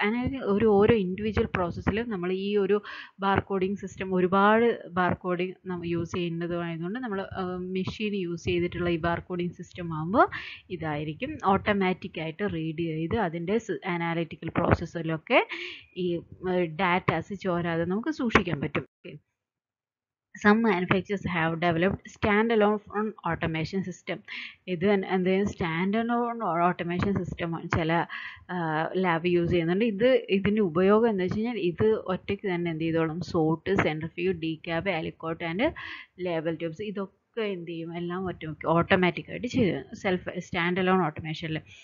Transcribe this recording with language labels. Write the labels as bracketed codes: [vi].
[ml] അങ്ങനെ ഒരു ഓരോ ഇൻഡിവിജ്വൽ പ്രോസസ്സിലും നമ്മൾ ഈ ഒരു ബാർകോഡിംഗ് സിസ്റ്റം, ഒരുപാട് ബാർകോഡിംഗ് നമ്മൾ യൂസ് ചെയ്യുന്നതായതുകൊണ്ട് നമ്മൾ മെഷീൻ യൂസ് ചെയ്തിട്ടുള്ള ഈ ബാർകോഡിംഗ് സിസ്റ്റം ആകുമ്പോൾ ഇതായിരിക്കും ഓട്ടോമാറ്റിക് ആയിട്ട് റീഡ് ചെയ്ത് അതിൻ്റെ അനാലിറ്റിക്കൽ പ്രോസസ്സിലൊക്കെ ഈ ഡാറ്റാസ് ചോരാതെ നമുക്ക് സൂക്ഷിക്കാൻ പറ്റും. [en] Some manufacturers have developed standalone automation system. [ml] ഇത് എന്തെങ്കിലും സ്റ്റാൻഡ് അലോൺ ഓട്ടോമേഷൻ സിസ്റ്റമാണ് ചില ലാബ് യൂസ് ചെയ്യുന്നുണ്ട്. ഇത് ഇതിൻ്റെ ഉപയോഗം എന്താ വെച്ച് കഴിഞ്ഞാൽ ഇത് ഒറ്റയ്ക്ക് തന്നെ എന്ത് ചെയ്തോളും, saute, centrifuge, ഡികാബ്, അലിക്കോട്ട് and label tubes ഇതൊക്കെ എന്ത് ചെയ്യും, എല്ലാം ഒറ്റയ്ക്ക് ഓട്ടോമാറ്റിക് ആയിട്ട് ചെയ്തു സെൽഫ് സ്റ്റാൻഡ് അലോൺ ഓട്ടോമേഷനിൽ.